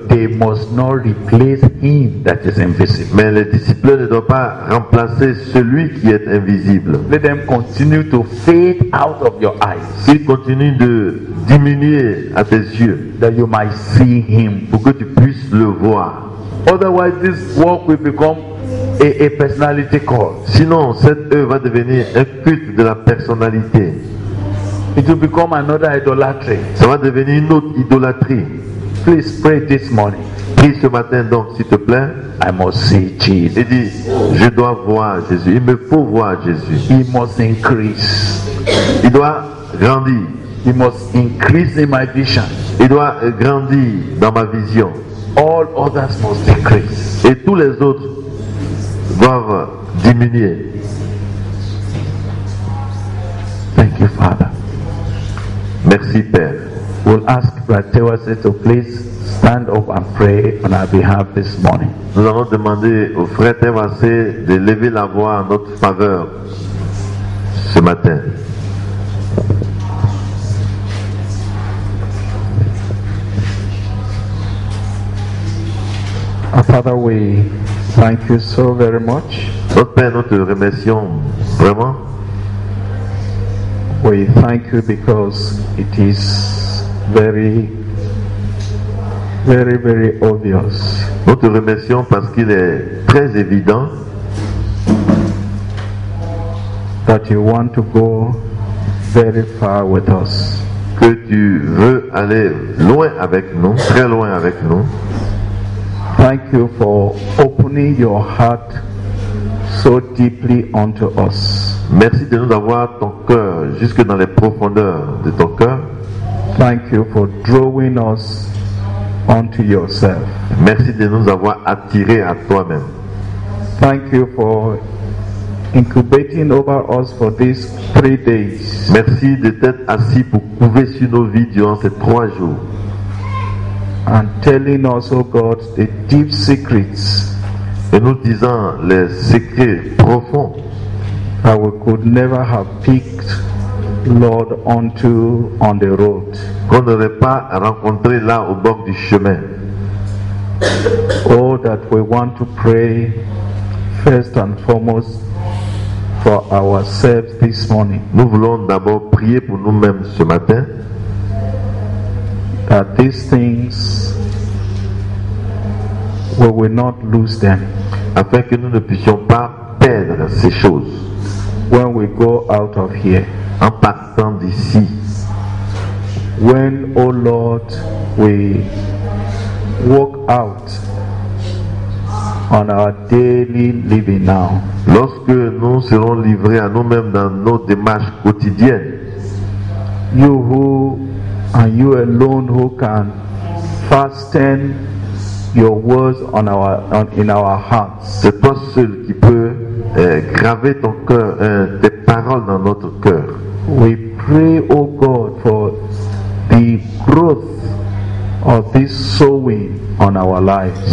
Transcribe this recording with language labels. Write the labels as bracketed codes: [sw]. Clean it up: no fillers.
[en] They must not replace him that is invisible. [fr] Mais les disciples ne doivent pas remplacer celui qui est invisible. [en] Let them continue to fade out of your eyes. [fr] Qu'ils continuent de diminuer à tes yeux. [en] That you might see him. [fr] Pour que tu puisses le voir. [en] Otherwise, this work will become a personality call. [fr] Sinon, cette œuvre va devenir un culte de la personnalité. [en] It will become another idolatry. [fr] Ça va devenir une autre idolâtrie. [en] Please pray this morning. [fr] Prie ce matin donc, s'il te plaît. [en] I must see Jesus. [fr] Et dis, je dois voir Jésus. Il me faut voir Jésus. [en] He must increase. [fr] Il doit grandir. [en] He must increase in my vision. [fr] Il doit grandir dans ma vision. [en] All others must decrease. [fr] Et tous les autres doivent diminuer. [en] Thank you, Father. [fr] Merci Père. [en] We'll ask Brother Tewase to please stand up and pray on our behalf this morning. [fr] Nous allons demander au frère Tewase de lever la voix en notre faveur ce matin. [en] Our Father, we thank you so very much. [fr] Notre Père, nous te remercions vraiment. [en] We thank you because it is very, very, very obvious. [fr] Nous te remercions parce qu'il est très évident [en] that you want to go very far with us. [fr] Que tu veux aller loin avec nous, très loin avec nous. [en] Thank you for opening your heart so deeply unto us. [fr] Merci de nous avoir ton cœur jusque dans les profondeurs de ton cœur. [en] Thank you for drawing us unto yourself. [fr] Merci de nous avoir attirés à toi-même. [en] Thank you for incubating over us for these 3 days. [fr] Merci de t'être assis pour couver sur nos vies durant ces 3 jours. [en] And telling us, oh God, the deep secrets. [fr] Et nous disant les secrets profonds. [en] That we could never have picked, Lord, onto on the road. [fr] Qu'on n'aurait pas rencontré là au bord du chemin. [en] Oh, that we want to pray first and foremost for ourselves this morning. [fr] Nous voulons d'abord prier pour nous-mêmes ce matin. [en] That these things, we will not lose them. [fr] Afin que nous ne puissions pas perdre ces choses. [en] When we go out of here, [fr] en partant d'ici, [en] when, oh Lord, we walk out on our daily living now. [fr] Lorsque nous serons livrés à nous-mêmes dans nos démarches quotidiennes. [en] You who and you alone who can fasten your words on our on, in our hearts. [fr] C'est toi seul qui peut graver ton cœur tes paroles dans notre cœur. [en] We pray, O God, for the growth of this sowing on our lives.